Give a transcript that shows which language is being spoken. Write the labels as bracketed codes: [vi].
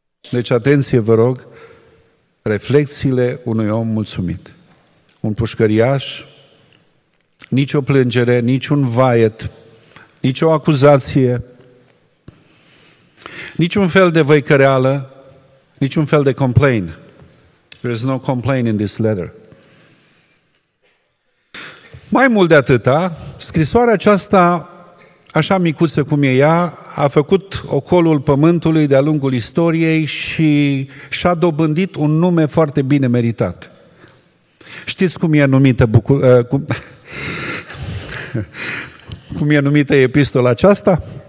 [ro] Deci, atenție, vă rog, reflecțiile unui om mulțumit. Un pușcăriaș, nici o plângere, nici un vaiet, nici o acuzație, nici un fel de văicăreală, nici un fel de complain. [en] There is no complaint in this letter. [ro] Mai mult de atâta, scrisoarea aceasta, așa micuță cum e ea, a făcut ocolul pământului de-a lungul istoriei și și-a dobândit un nume foarte bine meritat. Știți cum e numită cum e numită epistola aceasta?